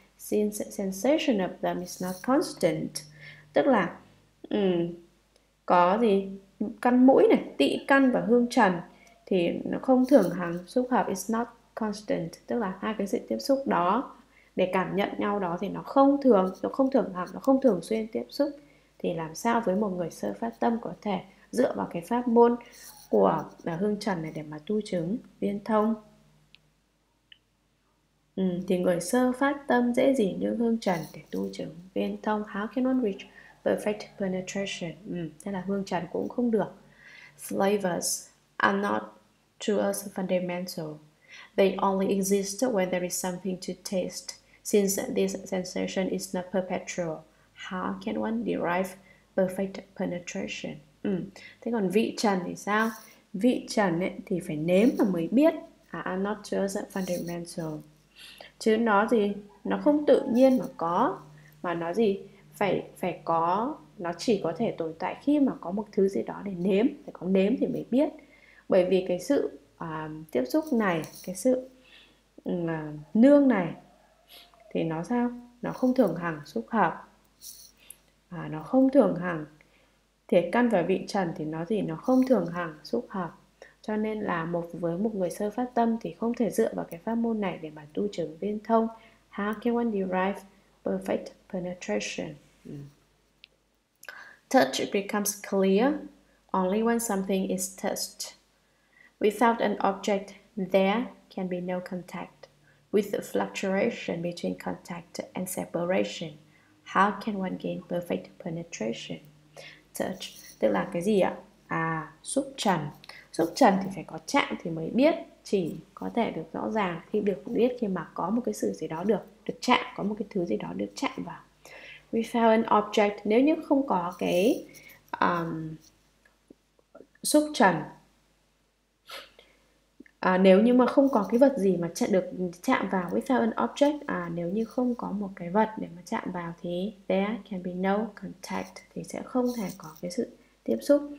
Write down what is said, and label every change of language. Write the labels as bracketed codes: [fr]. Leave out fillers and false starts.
[en] Since sensation of them is not constant, [vi] tức là có gì, căn mũi này, tị căn và hương trần thì nó không thường hằng, xúc hợp [en] is not constant, [vi] tức là hai cái sự tiếp xúc đó để cảm nhận nhau đó thì nó không thường hằng, nó không thường xuyên tiếp xúc, thì làm sao với một người sơ phát tâm có thể dựa vào cái pháp môn của hương trần này để mà tu chứng viên thông? Thì người sơ phát tâm dễ gì như hương trần để tu chứng viên thông. [en] How can one reach perfect penetration? [vi] Thế là hương trần cũng không được. [en] Flavors are not to us fundamental. They only exist when there is something to taste. Since this sensation is not perpetual, how can one derive perfect penetration? [vi] Ừ. Thế còn vị trần thì sao? Vị trần ấy thì phải nếm mà mới biết. [en] Not just fundamental. [vi] Chứ nó gì? Nó không tự nhiên mà có. Mà nó gì? Phải phải có. Nó chỉ có thể tồn tại khi mà có một thứ gì đó để nếm. Phải có nếm thì mới biết. Bởi vì cái sự tiếp xúc này, cái sự nương này, thì nó sao? Nó không thường hằng xúc hợp. Nó không thường hằng. Thể căn và vị trần thì nó gì? Nó không thường hằng xúc hợp. Cho nên là một với một người sơ phát tâm thì không thể dựa vào cái pháp môn này để mà tu trường viên thông. [en] How can one derive perfect penetration? Touch becomes clear only when something is touched. Without an object, there can be no contact. With the fluctuation between contact and separation, how can one gain perfect penetration? [vi] Touch, tức là cái gì ạ? Xúc trần. Xúc trần thì phải có chạm thì mới biết, chỉ có thể được rõ ràng khi được biết, khi mà có một cái sự gì đó được được chạm, có một cái thứ gì đó được chạm vào. [en] Without an object, [vi] nếu như không có cái xúc trần, nếu như mà không có cái vật gì mà chạm được chạm vào, without an object, nếu như không có một cái vật để mà chạm vào thì [en] there can be no contact, [vi] thì sẽ không thể có cái sự tiếp xúc.